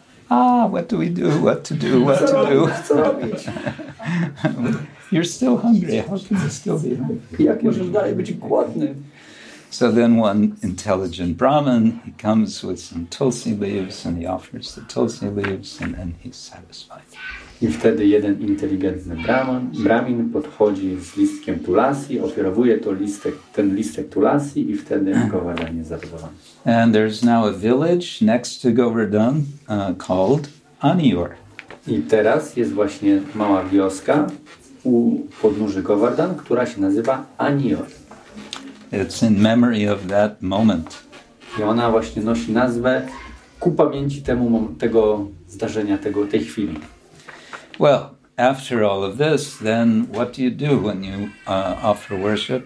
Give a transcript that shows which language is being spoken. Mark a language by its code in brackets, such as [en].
[en] Ah, what do we do? What to do? What to do? [pl] Co robić? [en] You're still hungry. How can you still be hungry? [pl] Jak możesz dalej być głodny? [en] So then one intelligent Brahmin, he comes with some tulsi leaves and he offers the tulsi leaves and then he's satisfied. [pl] I wtedy jeden inteligentny Brahmin podchodzi z listkiem tulasi, ofiarowuje ten listek tulasi i wtedy Govardhan jest zadowolony. [en] And there's now a village next to Govardhan called Aniur. [pl] I teraz jest właśnie mała wioska u podnóży Govardhan, która się nazywa Aniur. [en] It's in memory of that moment. [pl] I ona właśnie nosi nazwę ku pamięci tego zdarzenia, tej chwili. [en] Well, after all of this, then what do you do when you offer worship?